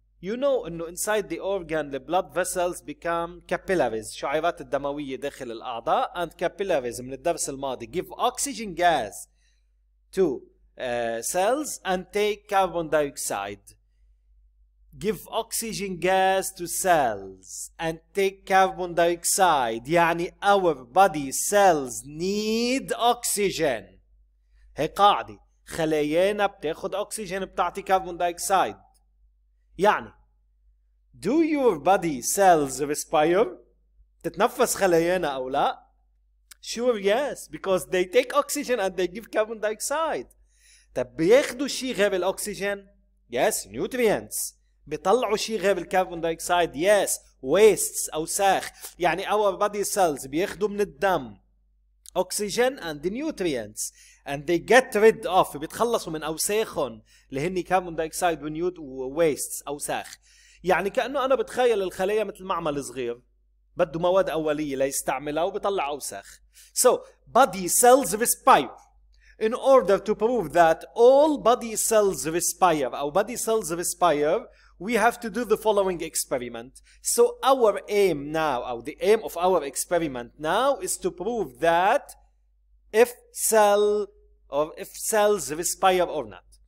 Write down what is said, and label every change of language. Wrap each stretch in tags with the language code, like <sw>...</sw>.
<en>You know, inside the organ, the blood vessels become capillaries.</en> <ar>شعيرات الدموية داخل الأعضاء.</ar> <en>And capillaries,</en> <ar>من الدرس الماضي,</ar> <en>give oxygen gas to cells and take carbon dioxide. Give oxygen gas to cells and take carbon dioxide. يعني our body cells need oxygen.</en> <ar>هي قاعدة. خلايانا بتاخد oxygen بتعطي carbon dioxide.</ar> <en>يعني do your body cells respire?</en> <ar>تتنفس خلايانا أو لا?</ar> <en>Sure yes, because they take oxygen and they give carbon dioxide.</en> <ar>طب بياخدوا شي غير الأكسجين?</ar> <en>Yes, nutrients.</en> <ar>بيطلعوا شيء غير الكربون دايكسايد yes wastes أوساخ يعني</ar> <en>our body cells</en> <ar>بياخدوا من الدم</ar> <en>oxygen and the nutrients and they get rid of</en> <ar>بيتخلصوا من أوساخهم اللي هني كربون دايكسايد ونيوت wastes أوساخ يعني كأنه أنا بتخيل الخلية مثل معمل صغير بده مواد أولية ليستعملها وبيطلع أوساخ</ar> <en>so body cells respire. In order to prove that all body cells respire, our body cells respire, we have to do the following experiment. So our aim now, or the aim of our experiment now, is to prove that if cells respire or not.</en>